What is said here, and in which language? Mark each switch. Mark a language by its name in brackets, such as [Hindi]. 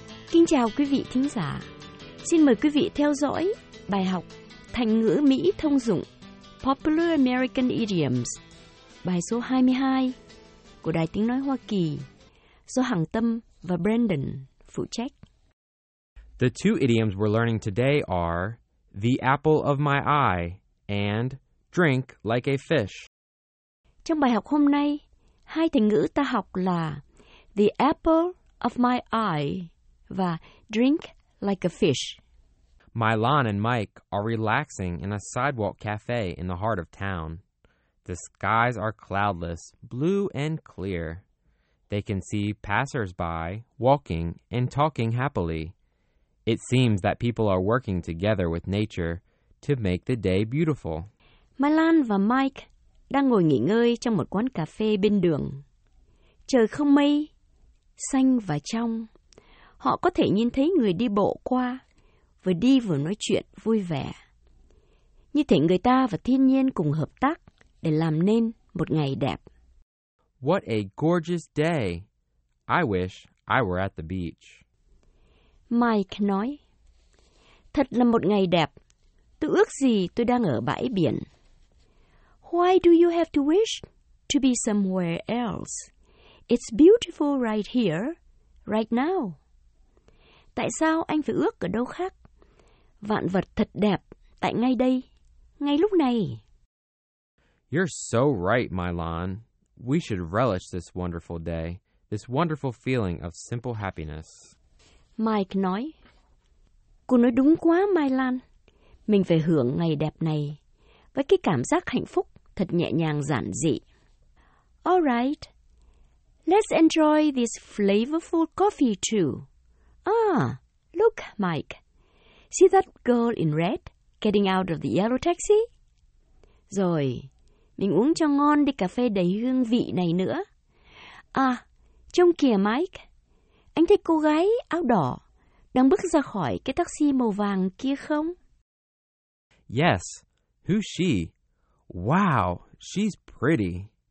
[Vietnamese] Kính chào quý vị thính giả. Xin mời quý vị theo dõi bài học Thành ngữ Mỹ thông dụng [English] Popular American Idioms, [Vietnamese] bài số 22 của Đài Tiếng Nói Hoa Kỳ do Hằng Tâm và Brandon phụ trách. [English] The two idioms we're learning today are the apple of my eye and drink like a fish. [Vietnamese] Trong bài học hôm nay, hai thành ngữ ta học là [English] the apple of my eye [Vietnamese] và [English] drink like a fish. Milan and Mike are relaxing in a sidewalk cafe in the heart of town. The skies are cloudless, blue and clear. They can see passersby walking and talking happily. It seems that people are working together with nature to make the day beautiful. [Vietnamese] Milan và Mike đang ngồi nghỉ ngơi trong một quán cà phê bên đường. Trời không mây, xanh và trong. Họ có thể nhìn thấy người đi bộ qua, vừa đi vừa nói chuyện vui vẻ. Như thể người ta và thiên nhiên cùng hợp tác để làm nên một ngày đẹp. [English] What a gorgeous day! I wish I were at the beach. [Vietnamese] Mike nói, thật là một ngày đẹp. Tôi ước gì tôi đang ở bãi biển. [English] Why do you have to wish to be somewhere else? It's beautiful right here, right now. [Vietnamese] Tại sao anh phải ước ở đâu khác? Vạn vật thật đẹp tại ngay đây, ngay lúc này. [English] You're so right, Milan. We should relish this wonderful day, this wonderful feeling of simple happiness. [Vietnamese] Mike nói, cô nói đúng quá, Milan. Mình phải hưởng ngày đẹp này với cái cảm giác hạnh phúc thật nhẹ nhàng giản dị. [English] All right, let's enjoy this flavorful coffee too. Ah, look, Mike. See that girl in red getting out of the yellow taxi? [Vietnamese] Rồi, mình uống cho ngon đi cà phê đầy hương vị này nữa. À, trông kìa, Mike. Anh thấy cô gái áo đỏ đang bước ra khỏi cái taxi màu vàng kia không? [English] Yes, who's she? Wow, she's pretty.